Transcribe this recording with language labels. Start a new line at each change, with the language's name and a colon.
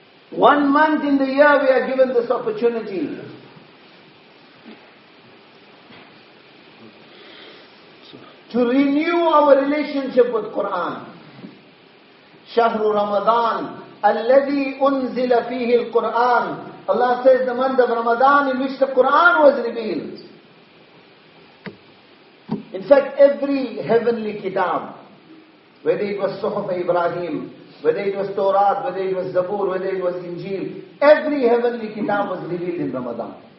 English: One month in the year we are given this opportunity. To renew our relationship with Quran.
Arabic: شهر رمضان الذي أنزل فيه القرآن.
English: Allah says the month of Ramadan in which the Quran was revealed. In fact, every heavenly kitab, whether it was Suhuf Ibrahim, whether it was Torah, whether it was Zabur, whether it was Injil, every heavenly kitab was revealed in Ramadan.